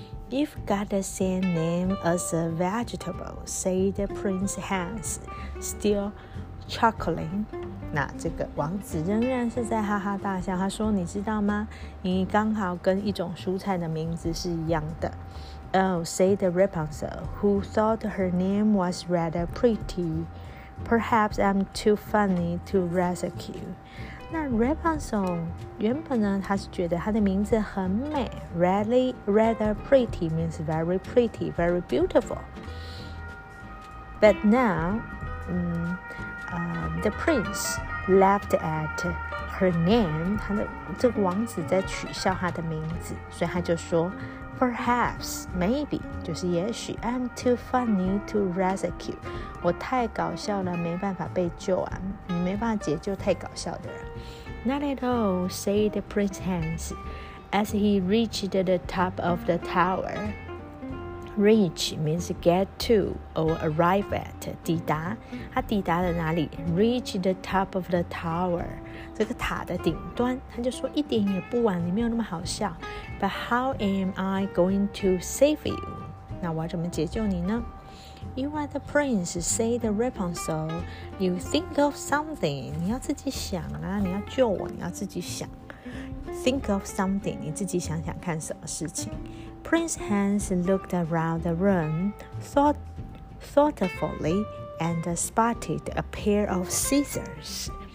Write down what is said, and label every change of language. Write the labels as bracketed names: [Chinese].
[English] You've got the same name as a vegetable, said Prince Hans, still chuckling. [Chinese] 那这个王子仍然是在哈哈大笑。他说：“你知道吗？你刚好跟一种蔬菜的名字是一样的。” [English] Oh, said Rapunzel, who thought her name was rather pretty. Perhaps I'm too funny to rescue. 那 Rapunzel 原本呢，他是觉得他的名字很美 rather pretty means very pretty, very beautiful. But now, the prince laughed at her name. [Chinese] 他的这个王子在取笑他的名字，所以他就说。 [English] Perhaps, maybe, 就是也许 I'm too funny to rescue. [Chinese] 我太搞笑了，没办法被救啊，你没办法解救太搞笑的人。 [English] Not at all, said Prince Hans, as he reached the top of the tower. Reach means get to or arrive at, 抵达。他抵达了哪里？ Reach the top of the tower. [Chinese] 这个塔的顶端，他就说一点也不晚，你没有那么好笑。 [English] But how am I going to save you? [Chinese] 那我要怎么解救你呢？ You are the prince, said Rapunzel. [English] You think of something. [Chinese] 你要自己想啊，你要救我，你要自己想。 Think of something, 你自己想想看什么事情。 [English] Prince Hans looked around the room, thoughtfully, and spotted a pair of scissors.